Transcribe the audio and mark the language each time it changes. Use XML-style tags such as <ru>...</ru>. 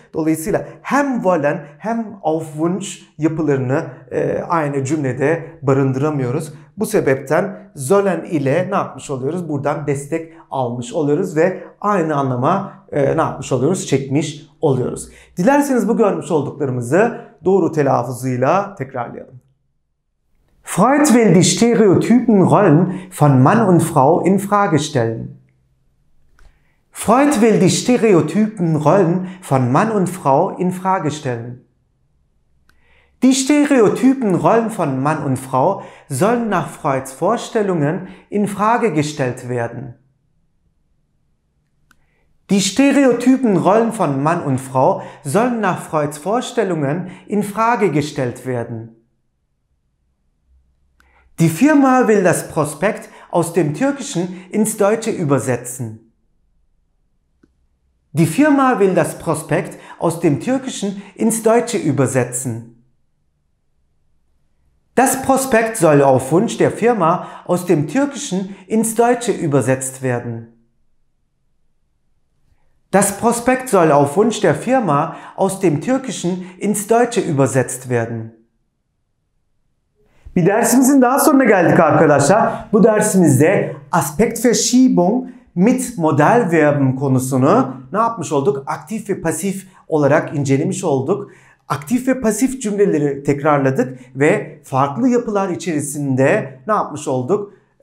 <tr>Dolayısıyla hem wollen hem auf Wunsch yapılarını aynı cümlede barındıramıyoruz. Bu sebepten sollen ile ne yapmış oluyoruz? Buradan destek almış oluyoruz ve aynı anlama ne yapmış oluyoruz? Çekmiş oluyoruz. Dilerseniz bu görmüş olduklarımızı doğru telaffuzuyla tekrarlayalım.</tr> <de>Freud will die stereotypen Rollen von Mann und Frau in Frage stellen. Freud will die stereotypen Rollen von Mann und Frau in Frage stellen. Die stereotypen Rollen von Mann und Frau sollen nach Freuds Vorstellungen in Frage gestellt werden. Die stereotypen Rollen von Mann und Frau sollen nach Freuds Vorstellungen in Frage gestellt werden. Die Firma will das Prospekt aus dem Türkischen ins Deutsche übersetzen. Die Firma will das Prospekt aus dem Türkischen ins Deutsche übersetzen. Das Prospekt soll auf Wunsch der Firma aus dem Türkischen ins Deutsche übersetzt werden. Das Prospekt soll auf Wunsch der Firma aus dem Türkischen ins Deutsche übersetzt werden.</de> <tr>Bir dersimizin daha sonuna geldik arkadaşlar. Bu dersimizde aspektverschiebung mit Modalverben konusunu ne yapmış olduk? Aktif ve pasif olarak incelemiş olduk. Aktif ve pasif cümleleri tekrarladık ve farklı yapılar içerisinde ne yapmış olduk?</tr>